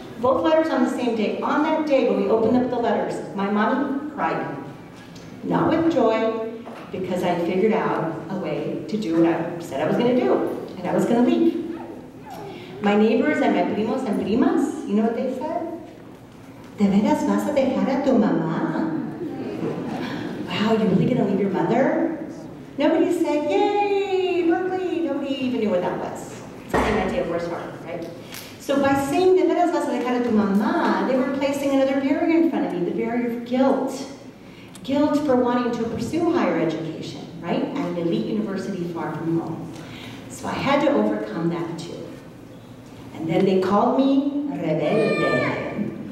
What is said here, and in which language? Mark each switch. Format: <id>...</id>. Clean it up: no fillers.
<en>Both letters on the same day. On that day, when we opened up the letters, my mommy cried. Not with joy, because I figured out a way to do what I said I was going to do, and I was going to leave. My neighbors and my primos and primas, you know what they said?</en> <es>¿De veras vas a dejar a tu mamá?</es> <en>Wow, you're really gonna leave your mother? Nobody said, yay, Berkeley. Nobody even knew what that was. It's the same idea of worst part, right? So by saying,</en> <es>¿De veras vas a dejar a tu mamá?</es> <en>They were placing another barrier in front of me, the barrier of guilt. Guilt for wanting to pursue higher education, right? At an elite university far from home. So I had to overcome that too. And then they called me rebelde.</en>